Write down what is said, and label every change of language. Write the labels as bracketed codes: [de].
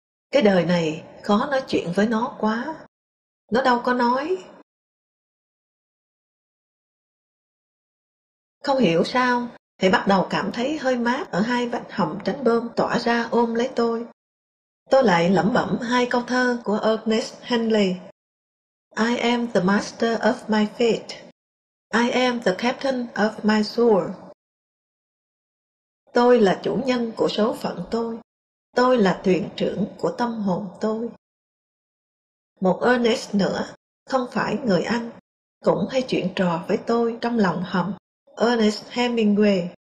[vi] Cái đời này khó nói chuyện với nó quá. Nó đâu có nói. Không hiểu sao, thì bắt đầu cảm thấy hơi mát ở hai vách hồng tránh bom tỏa ra ôm lấy tôi. Tôi lại lẩm bẩm hai câu thơ của Ernest Henley. [en] I am the master of my fate. I am the captain of my soul. [vi] Tôi là chủ nhân của số phận tôi. Tôi là thuyền trưởng của tâm hồn tôi. Một Ernest nữa, không phải người Anh, cũng hay chuyện trò với tôi trong lòng hầm, Ernest Hemingway.